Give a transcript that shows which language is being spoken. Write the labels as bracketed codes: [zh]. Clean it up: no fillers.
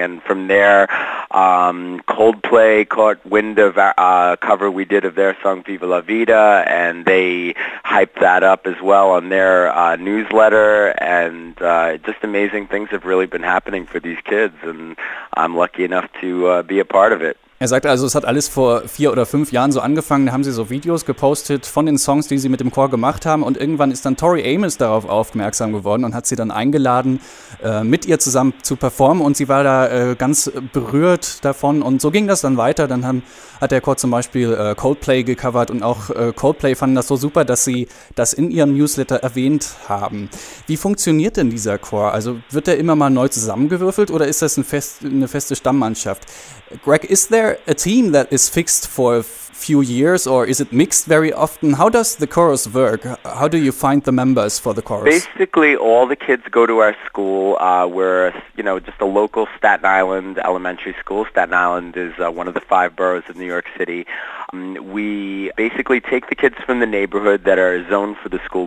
[en] And from there, Coldplay caught wind of a cover we did of their song Viva La Vida, and they hyped that up as well on their newsletter. And just amazing things have really been happening for these kids, and I'm lucky enough to be a part of it. [de] Er sagte also, es hat alles vor 4 oder 5 Jahren so angefangen, da haben sie so Videos gepostet von den Songs, die sie mit dem Chor gemacht haben und irgendwann ist dann Tori Amos darauf aufmerksam geworden und hat sie dann eingeladen, mit ihr zusammen zu performen und sie war da ganz berührt davon und so ging das dann weiter, dann hat der Chor zum Beispiel Coldplay gecovert und auch Coldplay fanden das so super, dass sie das in ihrem Newsletter erwähnt haben. Wie funktioniert denn dieser Chor? Also wird der immer mal neu zusammengewürfelt oder ist das eine feste Stammmannschaft? [en] Greg, is there a team that is fixed for a few years, or is it mixed very often? How does the chorus work? How do you find the members for the chorus? Basically, all the kids go to our school. We're, you know, just a local Staten Island elementary school. Staten Island is one of the 5 boroughs of New York City. We basically take the kids from the neighborhood that are zoned for the school.